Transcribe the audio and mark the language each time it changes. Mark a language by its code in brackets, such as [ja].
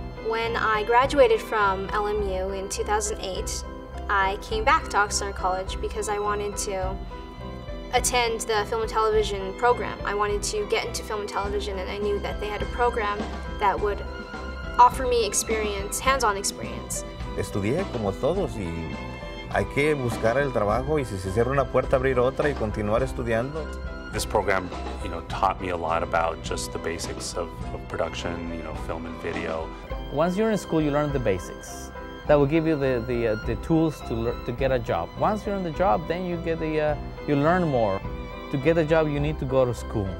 [en] When I graduated from LMU in 2008, I came back to Oxnard College because I wanted to attend the film and television program. I wanted to get into film and television, and I knew that they had a program that would offer me experience, hands-on experience. [es] Estudié como todos y hay que buscar el trabajo y si se cierra una puerta abrir otra y continuar estudiando. [en] This program, you know, taught me a lot about just the basics of production, you know, film and video. Once you're in school, you learn the basics. That will give you the tools to get a job. Once you're in the job, then you get the you learn more. To get a job, you need to go to school.